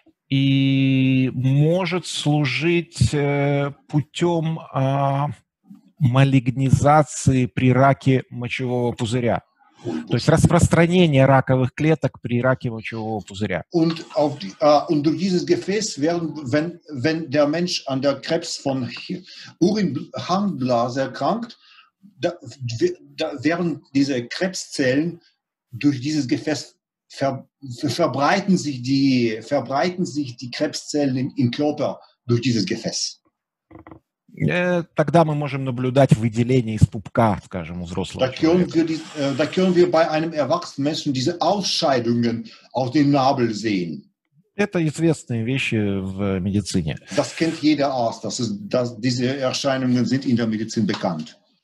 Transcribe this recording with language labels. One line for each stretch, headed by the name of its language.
Russian: И может служить путем малигнизации при раке мочевого пузыря. То есть распространение раковых клеток при раке мочевого пузыря.
German: Und auf die, und durch dieses Gefäß werden, wenn der Mensch an der Krebs von Harnblase erkrankt, da werden diese Krebszellen durch dieses Gefäß verbreiten sich die Krebszellen im Körper durch dieses Gefäß.
Russian: Тогда мы можем наблюдать выделение из пупка, скажем, у взрослого человека.
German: Da können wir bei einem erwachsenen Menschen diese Ausscheidungen auf den Nabel sehen.
Russian: Это известные вещи в медицине.
German: Das kennt jeder Arzt, dass diese Erscheinungen sind in der Medizin bekannt.